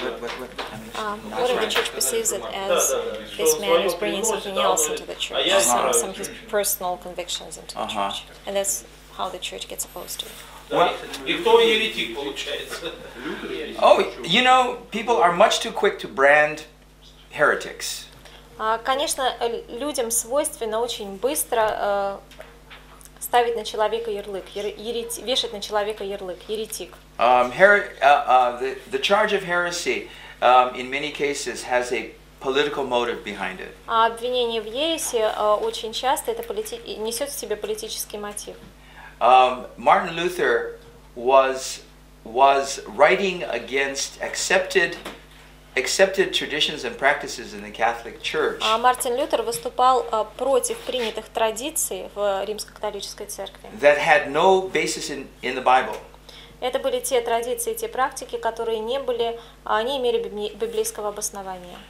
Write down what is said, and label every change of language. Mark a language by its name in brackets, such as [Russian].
[English] What if the church perceives it as this man is bringing something else into the church, some of his personal convictions into the church, and that's how the church gets opposed to it. Oh, you know, people are much too quick to brand heretics. [Russian] Конечно, людям свойственно очень быстро ставить на человека ярлык, вешать на человека ярлык, еретик. [English] The charge of heresy, in many cases, has a political motive behind it. [Russian] Обвинение в ереси очень часто это несет в себе политический мотив. [English] Martin Luther was writing against accepted traditions and practices in the Catholic Church. [Russian] Мартин Лютер выступал против принятых традиций в Римско-католической церкви. [English] That had no basis in the Bible. [Russian] Это были те традиции, те практики, которые не были, не имели библейского обоснования.